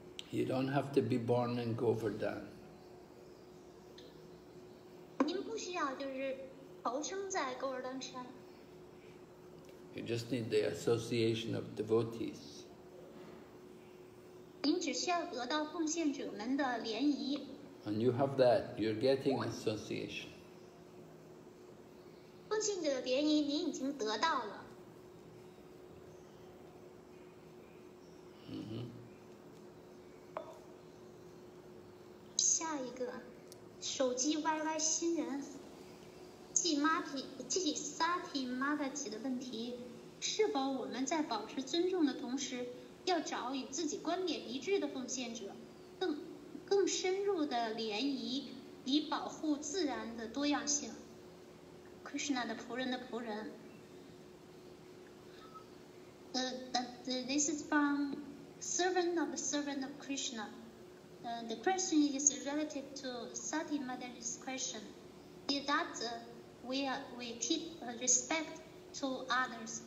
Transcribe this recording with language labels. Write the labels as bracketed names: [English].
[English] You don't have to be born in Govardhan. [Chinese] 您不需要就是投生在高尔丹山。 [English] You just need the association of devotees. [Chinese] 您只需要得到奉献者们的联谊。 [English] And you have that, you're getting association. [Chinese] 奉献者的联谊您已经得到了。下一个，手机YY新人，季妈提，季萨提妈提的问题，是否我们在保持尊重的同时，要找与自己观点一致的奉献者？更深入的联谊，以保护自然的多样性。 Krishna 的仆人的仆人。 [English] This is from servant of the servant of Krishna. The question is relative to Sati Mother's question. Is that we keep respect to others.